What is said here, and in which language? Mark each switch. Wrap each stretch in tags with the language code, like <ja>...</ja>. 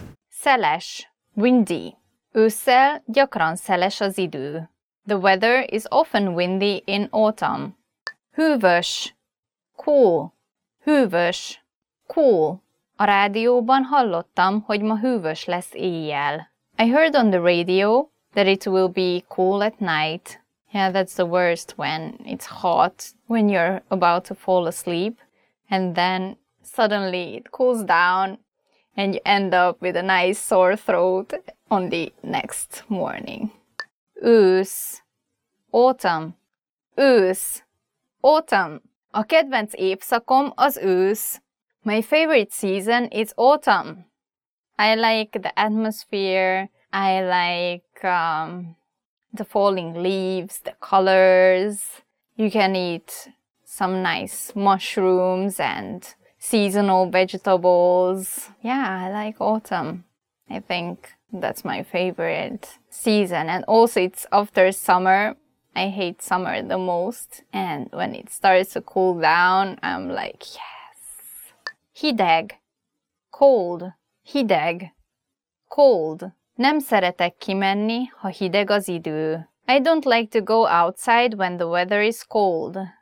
<hu>Szeles, windy. Ősszel gyakran szeles az idő.</hu> <en>The weather is often windy in autumn.</en> <hu>Hűvös, cool. Hűvös, cool. A rádióban hallottam, hogy ma hűvös lesz éjjel.</hu> <en>I heard on the radio that it will be cool at night. Yeah, that's the worst when it's hot, when you're about to fall asleep, and then suddenly it cools down and you end up with a nice sore throat on the next morning.</en> <hu>Ősz, autumn. Ősz, autumn. A kedvenc évszakom az ősz.</hu> <en>My favorite season is autumn. I like the atmosphere. I like the falling leaves, the colors. You can eat some nice mushrooms and seasonal vegetables. Yeah, I like autumn. I think that's my favorite season. And also it's after summer. I hate summer the most. And when it starts to cool down, I'm like, yes.</en> <hu>Hideg, cold. Hideg, cold. Nem szeretek kimenni, ha hideg az idő.</hu> <en>I don't like to go outside when the weather is cold.</en>